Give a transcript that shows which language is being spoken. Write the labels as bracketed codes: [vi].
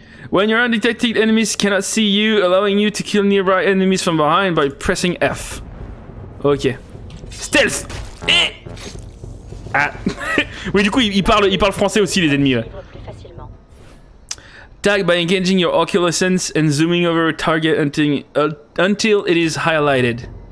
[en] When your undetected enemies cannot see you, allowing you to kill nearby enemies from behind by pressing F. Ok. Stealth! Eh! Ah! [fr] Oui, du coup, ils parlent français aussi, les ennemis. Là. [en] Tag by engaging your ocular sense and zooming over a target until it is highlighted.